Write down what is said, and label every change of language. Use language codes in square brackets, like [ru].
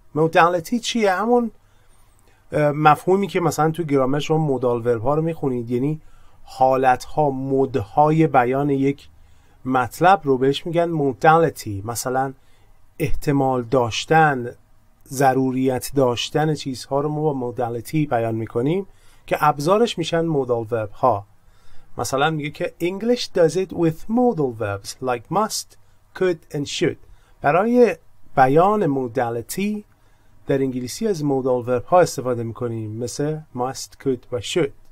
[fa] Modality چیه؟ همون مفهومی که مثلا تو گرامر شما مودال ورب ها رو میخونید، یعنی حالتها، مدهای بیان یک مطلب رو بهش میگن modality. مثلا احتمال داشتن، ضروریت داشتن چیزها رو ما با modality بیان میکنیم که ابزارش میشن modal verb ها. [en] مثلا میگه که English does it with modal verbs like must, could and should. [fa] برای بیان modality در انگلیسی از modal verb ها استفاده میکنیم، مثل must, could و should.